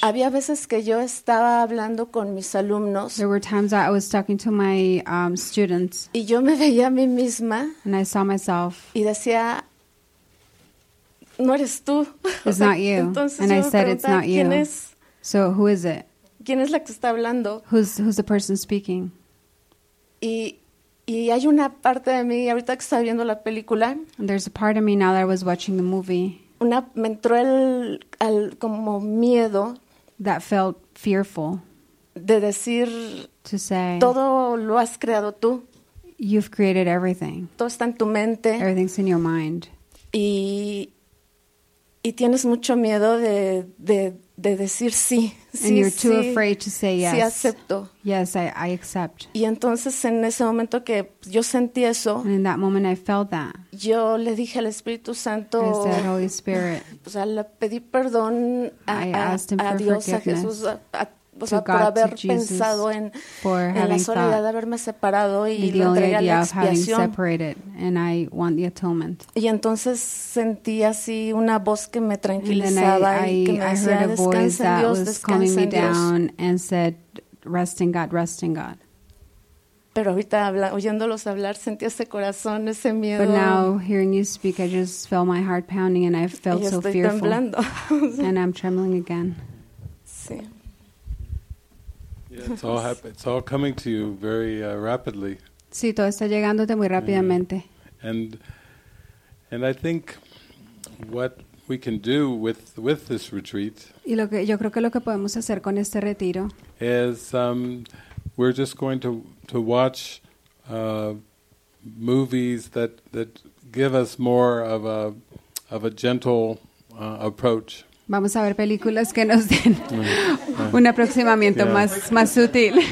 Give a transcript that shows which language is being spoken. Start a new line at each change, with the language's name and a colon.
Spanish: Había veces que yo estaba hablando con mis alumnos.
English: There were times that I was talking to my students.
Spanish: Y yo me veía a mí misma.
English: And I saw myself.
Spanish: Y decía, no eres tú.
English: It's not you.
Spanish: Entonces
English: and
Spanish: yo
English: I said, it's not you.
Spanish: ¿Quién es?
English: So who is it?
Spanish: ¿Quién es la que está hablando?
English: Who's the person speaking?
Spanish: Y hay una parte de mí, ahorita que estaba viendo la película.
English: And there's a part of me now that I was watching the movie.
Spanish: Me entró como miedo.
English: That felt fearful.
Spanish: De decir.
English: To say.
Spanish: Todo lo has creado tú.
English: You've created everything.
Spanish: Todo está en tu mente.
English: Everything's in your mind.
Spanish: Y tienes mucho miedo de decir sí.
English: And
Spanish: sí,
English: you're too
Spanish: sí,
English: afraid to say yes.
Spanish: Sí, acepto.
English: Yes, I accept.
Spanish: Y entonces en ese momento que yo sentí eso.
English: And in that moment I felt that.
Spanish: Yo le dije al Espíritu Santo.
English: I said, Holy Spirit.
Spanish: O sea, le pedí perdón a Dios, a Jesús, o sea, God, por haber pensado en la soledad de haberme separado y lo traía la expiación. Y entonces sentí así una voz que me tranquilizaba y que me decía, descansa en Dios, descansa en Dios.
English: And said, rest in God, rest in God.
Spanish: Pero ahorita oyéndolos hablar sentí ese corazón, ese miedo.
English: But now hearing you speak, I just felt my heart pounding and I felt so fearful.
Spanish: Y estoy temblando.
English: And I'm trembling again.
Spanish: Sí.
English: Yeah, it's all coming to you very rapidly.
Spanish: Sí, todo está llegándote muy rápidamente.
English: And I think what we can do with this retreat.
Spanish: Y lo que yo creo que lo que podemos hacer con este retiro
English: es we're just going to watch movies that give us more of a gentle approach.
Spanish: Vamos a ver películas que nos den un aproximamiento más sutil.